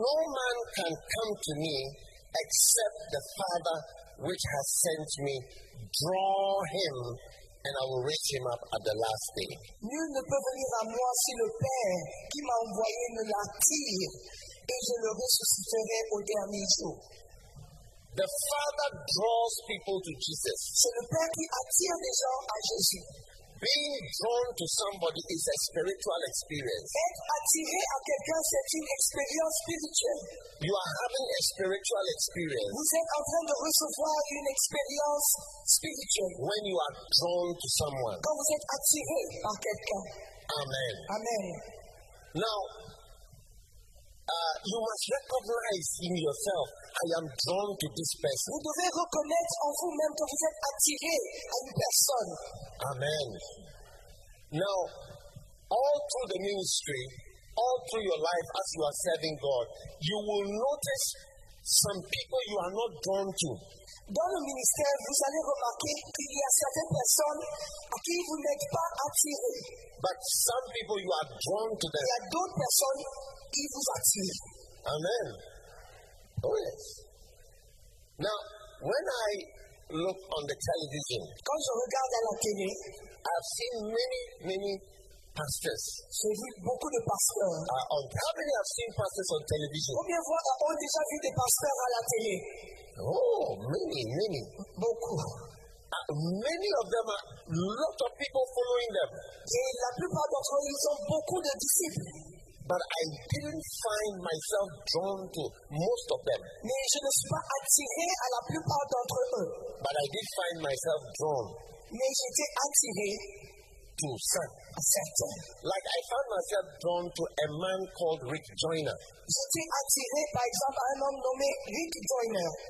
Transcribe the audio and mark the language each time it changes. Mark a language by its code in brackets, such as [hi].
[en] No man can come to me except the Father which has sent me draw him. And I will raise him up at the last day. [fr] Nul ne peut venir à moi si le Père qui m'a envoyé ne l'attire, et je le ressusciterai au dernier jour. [en] The Father draws people to Jesus. [fr] C'est le Père qui attire les gens à Jésus. [en] Being drawn to somebody is a spiritual experience. [fr] Être attiré à quelqu'un, c'est une expérience spirituelle. [en] You are having a spiritual experience. [fr] Vous êtes en train de recevoir une expérience spirituelle. [en] When you are drawn to someone. [fr] Quand vous êtes attiré par quelqu'un. Amen. Amen. [en] Now, you must recognize in yourself, I am drawn to this person. [fr] Vous devez reconnaître en vous-même que vous êtes attiré à une personne. Amen. [en] Now, all through the ministry, all through your life as you are serving God, you will notice some people you are not drawn to. [fr] Dans le ministère, vous allez remarquer qu'il y a certaines personnes à qui vous n'êtes pas attiré. [en] But some people you are drawn to them. [fr] Il y a d'autres personnes qui vous attirent. [en] Amen. Oh yes. Now, when I look on the television, [fr] quand je regarde à la télé, [en] I've seen many pastors. [fr] J'ai vu beaucoup de pasteurs. [en] How many have seen pastors on television? [fr] Combien de fois ont déjà vu des pasteurs à la télé? [en] Oh, many. [fr] Beaucoup. [en] Many of them are lot of people following them. [fr] Et la plupart d'entre eux, ils ont beaucoup de disciples. [en] But I didn't find myself drawn to most of them. [fr] Mais je ne suis pas attiré à la plupart d'entre eux. [en] But I did find myself drawn. [fr] Mais j'étais attiré [en] to certain. Like I found myself drawn to a man called Rick Joyner. [fr] J'étais attiré, par exemple, à un homme nommé Rick Joyner.